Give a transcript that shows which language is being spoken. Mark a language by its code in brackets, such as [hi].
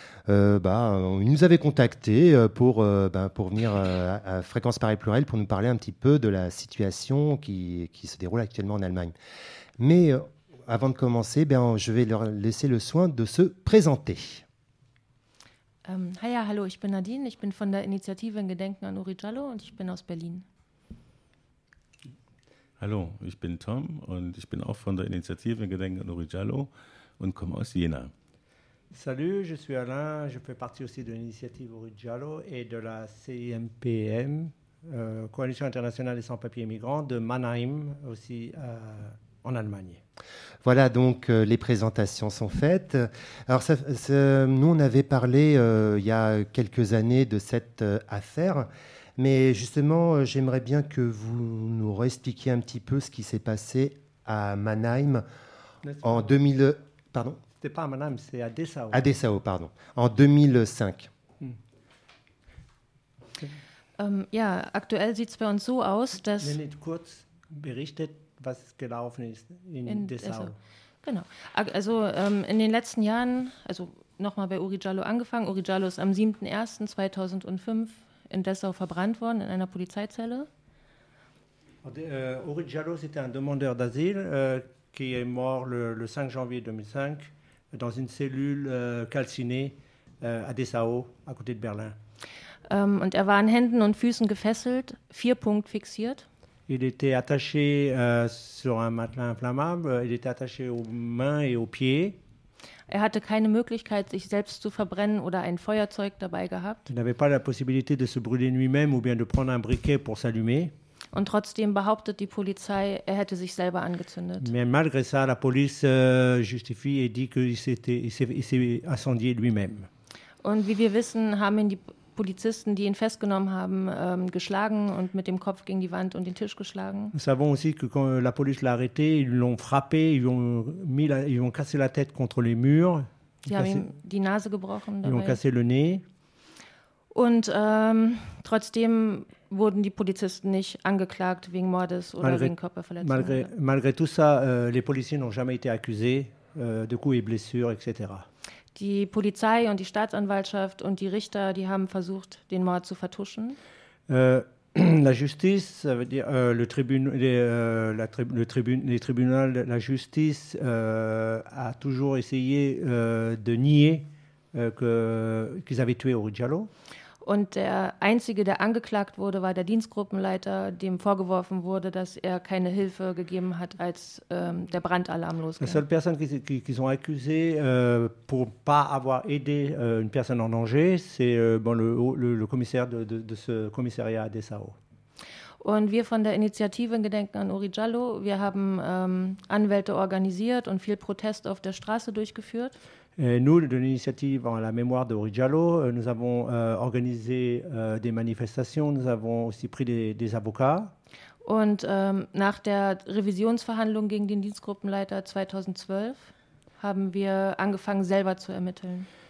[fr] Ils nous avaient contactés pour venir à Fréquence Paris Pluriel pour nous parler un petit peu de la situation qui se déroule actuellement en Allemagne. Avant de commencer, je vais leur laisser le soin de se présenter. [de] Hallo, ich bin Nadine, ich bin von der Initiative in Gedenken an Uri Jalloh und ich bin aus Berlin. Hallo, ich bin Tom und ich bin auch von der Initiative in Gedenken an Uri Jalloh und komme aus Jena. [fr] Salut, je suis Alain, je fais partie aussi de l'initiative Uri Jalloh et de la CIMPM, Coalition internationale des sans-papiers migrants de Mannheim, aussi en Allemagne. Voilà, donc les présentations sont faites. Alors, nous, on avait parlé il y a quelques années de cette affaire, mais justement, j'aimerais bien que vous nous réexpliquiez un petit peu ce qui s'est passé à Mannheim en 2000. Pardon ? C'était pas à Mannheim, c'est à Dessau. À Dessau, pardon, en 2005. [de] Aktuell sieht es bei uns so aus, dass. Lenit kurz berichtet. Was gelaufen ist in Dessau. Dessau. Genau. Also in den letzten Jahren, also nochmal bei Uri Jalloh angefangen, Uri Jalloh ist am 7.01.2005 in Dessau verbrannt worden, in einer Polizeizelle. [fr] Uri Jalloh, c'était un demandeur d'asile qui est mort le 5 janvier 2005 dans une cellule calcinée à Dessau, à côté de Berlin. [de] Und er war an Händen und Füßen gefesselt, 4 Punkte fixiert. [fr] Il était attaché sur un matelas inflammable. Il était attaché aux mains et aux pieds. [de] Er hatte keine Möglichkeit, sich selbst zu verbrennen oder ein Feuerzeug dabei gehabt. [fr] Il n'avait pas la possibilité de se brûler lui-même ou bien de prendre un briquet pour s'allumer. [de] Und trotzdem behauptet die Polizei, er hätte sich selber angezündet. [fr] Mais malgré ça, la police justifie et dit qu'il s'est incendié lui-même. [de] Und wie wir wissen, haben ihn die Polizisten, die ihn festgenommen haben, geschlagen und mit dem Kopf gegen die Wand und den Tisch geschlagen. [fr] Nous savons aussi que quand la police l'a arrêté, ils l'ont frappé, ils ont cassé la tête contre les murs. [de] Sie haben ihm die Nase gebrochen. [fr] Ils ont cassé le nez. [de] Und trotzdem wurden die Polizisten nicht angeklagt wegen Mordes oder wegen Körperverletzung. [fr] Malgré tout ça, les policiers n'ont jamais été accusés de coups et blessures, etc. [de] Die Polizei und die Staatsanwaltschaft und die Richter, die haben versucht, den Mord zu vertuschen. [fr] La justice, ça veut dire le tribunal, les tribunaux, la justice a toujours essayé de nier qu'ils avaient tué Uri Jalloh. [de] Und der einzige, der angeklagt wurde, war der Dienstgruppenleiter, dem vorgeworfen wurde, dass er keine Hilfe gegeben hat, als der Brandalarm losging. [fr] La seule personne qu'ils ont accusé pour pas avoir aidé une personne en danger, c'est le commissaire de ce commissariat à Dessau. [de] Und wir von der Initiative in Gedenken an Uri Jalloh, wir haben Anwälte organisiert und viel Protest auf der Straße durchgeführt. [fr] Et nous, de l'initiative en la mémoire de Uri Jalloh, nous avons organisé des manifestations, nous avons aussi pris des avocats. [de] Und nach der Revisionsverhandlung gegen den Dienstgruppenleiter 2012 haben wir angefangen, selber zu ermitteln.